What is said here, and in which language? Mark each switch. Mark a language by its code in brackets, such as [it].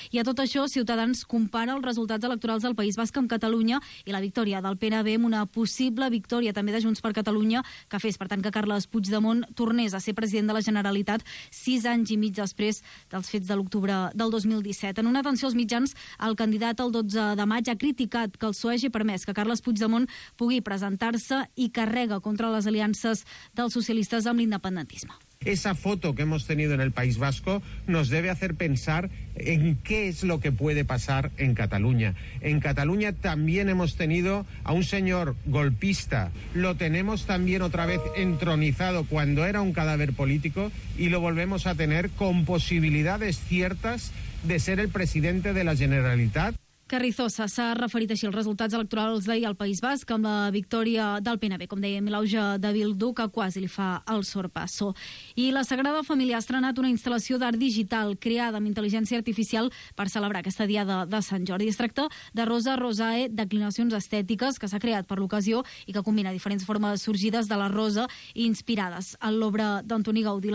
[ca] I a tot això, Ciutadans compara els resultats electorals del País Basc amb Catalunya i la victòria del PNV amb una possible victòria també de Junts per Catalunya, que fes, per tant, que Carles Puigdemont tornés a ser president de la Generalitat 6 anys i mig després dels fets de l'octubre del 2017. En una atenció als mitjans, el candidat el 12 de maig ha criticat que el PSOE hagi permès que Carles Puigdemont pugui presentar-se i carrega contra les aliances dels socialistes amb l'independentisme. [es] Esa foto que hemos tenido en el País Vasco nos debe hacer pensar en qué es lo que puede pasar en Cataluña. En Cataluña también hemos tenido a un señor golpista. Lo tenemos también otra vez entronizado cuando era un cadáver político y lo volvemos a tener con posibilidades ciertas de ser el presidente de la Generalitat. [ca] Carrizosa s'ha referit així als resultats electorals d'ahir al País Basc amb la victòria del PNV, com dèiem, l'auge de Bildu, que quasi li fa el sorpasso. I la Sagrada Família ha estrenat una instal·lació d'art digital creada amb intel·ligència artificial per celebrar aquesta diada de Sant Jordi. Es tracta de Rosa Rosae, Declinacions estètiques, que s'ha creat per l'ocasió i que combina diferents formes sorgides de la rosa inspirades en l'obra d'Antoni Gaudí.